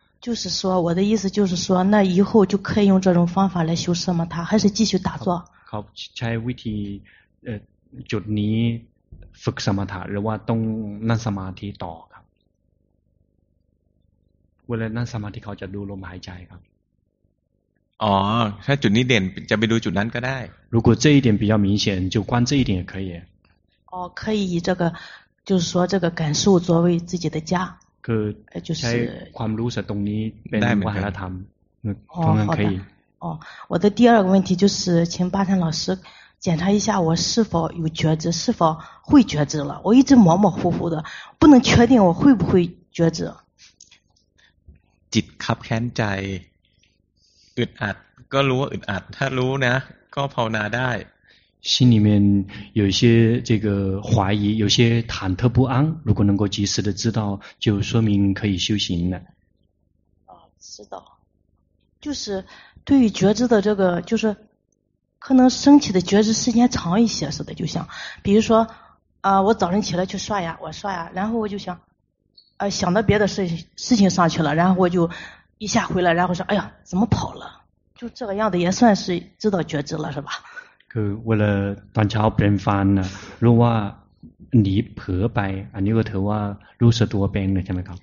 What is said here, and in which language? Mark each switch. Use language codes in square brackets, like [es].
[zh] 就是说我的意思就是说那以后就可以用这种方法来修什么它还是继续打坐 [th] 好ใช้วิธีจุดนี้ฝึกสมถะหรือว่าต้องนั่งสมาธิต่อเวลานั่งสมาธิเขาจะดูลมหายใจครับ อ๋อถ้าจุดนี้เด่นจะไปดูจุดนั้นก็ได้ [zh] 如果这一点比较明显就观这一点也可以哦可以以这个就是说这个感受作为自己的家 [th] คือ [zh] 就是 [th] ใช้ความรู้สึกตรงนี้เป็นวิหารธรรม ค ง [zh] โอ้我的第二个问题就是请巴山老师检查一下我是否有觉知是否会觉知了我一直模模糊糊的不能确定我会不会觉知 [th] จิตคับแค้นใจึดอัดก็รู้ว่าอึดอัดถ้ารู้นะก็ภาวนาได้ [zh] 心里面有一些这个怀疑有些忐忑不安如果能够及时的知道就说明可以修行了知道就是对于觉知的这个就是可能升起的觉知时间长一些似的就像比如说我早晨起来去刷牙我刷牙然后我就想想到别的事情上去了然后我就一下回来然后说哎呀怎么跑了就这个样子也算是知道觉知了是吧 [th] คือเวลาตอนเช้าเป็นฟันนะรู้ว่าหนีเผลอไปอันนี้ก็ถือว่ารู้สึกตัวเป็นใช่ไหมครับ